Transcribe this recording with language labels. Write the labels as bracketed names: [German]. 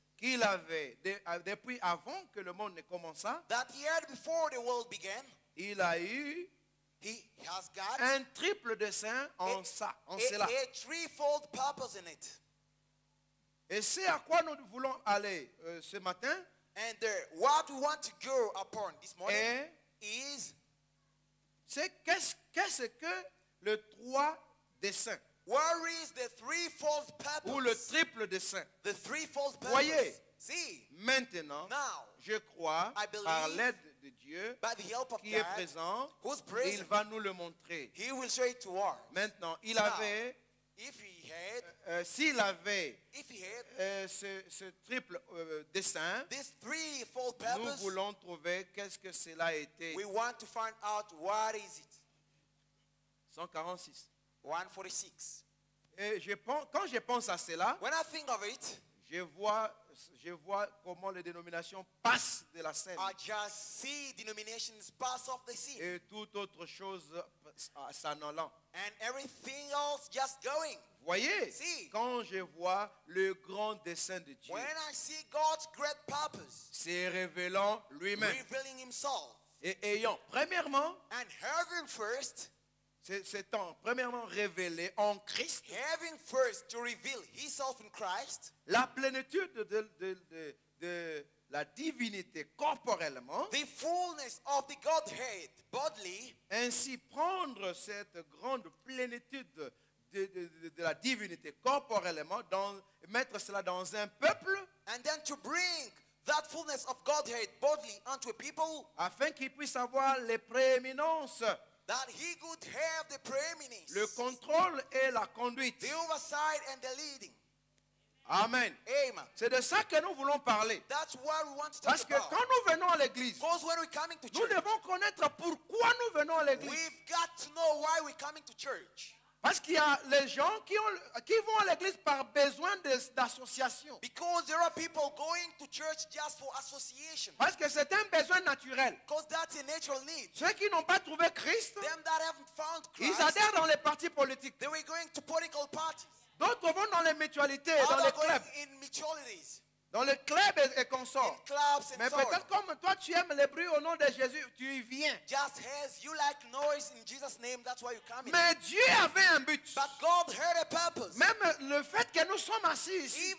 [French] Qu'il avait depuis avant que le monde ne commença. [English] That he had before the world began. [French] Il a eu. [English] He has got [French] un triple dessein en cela. [English] A threefold purpose in it. [French] Et c'est à quoi nous voulons aller ce matin. [English] And what we want to go upon this morning [French] est [English] is [French] c'est qu'est-ce que le trois desseins. [English] Where is the threefold purpose? [French] Ou le triple dessein. [English] The threefold purpose. [French] Voyez. [English] See. [French] Maintenant, [English] now, [French] je crois, [English] I believe, [French] par l'aide de Dieu, [English] by the help of [French] qui [English] God, [French] est présent, [English] who's present, [French] il va nous le montrer. [English] He will show it to us. [French] Maintenant, il [English] now, [French] avait, [English] if he had, [French] s'il avait, [English] if he had, [French] ce triple dessein, [English] this threefold purpose, [French] nous voulons trouver qu'est-ce que cela a été. [English] We want to find out what is it. 146. 146. [French] Et quand je pense à cela, [English] when I think of it, [French] je vois comment les dénominations passent de la scène. [English] I just see denominations pass off the scene. [French] Et toute autre chose s'en allant. [English] And everything else just going. [French] Voyez, [English] see, [French] quand je vois le grand dessein de Dieu, [English] when I see God's great purpose, [French] c'est révélant lui-même. [English] Revealing himself. [French] Et ayant, premièrement, [English] and having first, [French] c'est en premièrement révélé en Christ, [English] having first to reveal himself in Christ, [French] la plénitude de la divinité corporellement, [English] the fullness of the Godhead bodily, [French] ainsi prendre cette grande plénitude de la divinité corporellement, dans mettre cela dans un peuple, [English] and then to bring that fullness of Godhead bodily unto a people, [French] afin qu'il puisse avoir les prééminences, [English] that he could have the preeminence, [French] le contrôle et la conduite, [English] the oversight and the leading. Amen. Amen. [French] C'est de ça que nous voulons parler. [English] That's what we want to talk [French] parce que [English] about. [French] Quand nous venons à l'église, [English] because when we're coming to church, [French] nous devons connaître pourquoi nous venons à l'église. [English] We've got to know why we're coming to church. [French] Parce qu'il y a les gens qui vont à l'église par besoin d'association. [English] Because there are people going to church just for association. [French] Parce que c'est un besoin naturel. [English] Because that's a natural need. [French] Ceux qui n'ont pas trouvé Christ, [English] them that haven't found Christ, [French] ils adhèrent dans les partis politiques. [English] They were going to political parties. [French] D'autres vont dans les mutualités, dans les clubs. [English] In mutualities. [French] Dans les clubs et consorts. [English] In clubs and [French] mais peut-être Comme toi tu aimes les bruits au nom de Jésus, tu y viens. [English] Just as you like noise in Jesus' name, that's why you come in. [French] Mais Dieu avait un but. [English] But God had a purpose. [French] Même le fait que nous sommes assis ici.